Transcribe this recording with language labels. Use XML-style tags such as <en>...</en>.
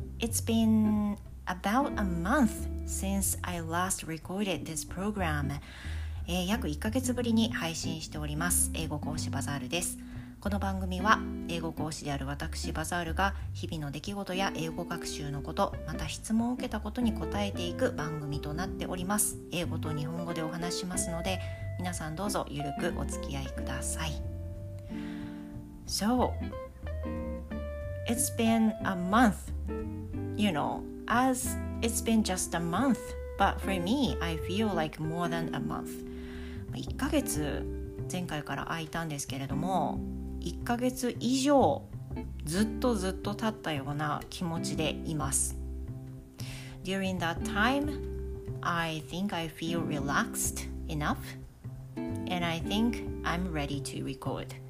<en>It's been about a month since I last recorded this program.</en> <ja>約1ヶ月ぶりに配信しております。英語講師バザールです。この番組は英語講師である私バザールが日々の出来事や英語学習のこと、また質問を受けたことに答えていく番組となっております。英語と日本語でお話しますので、皆さんどうぞゆるくお付き合いください。</ja> <en>So it's been a month, you know, as it's been just a month, but for me I feel like more than a month.</en> <ja>1ヶ月前回から空いたんですけれども、1ヶ月以上ずっとずっと経ったような気持ちでいます。</ja> <en>During that time, I think I feel relaxed enough and I think I'm ready to record.</en>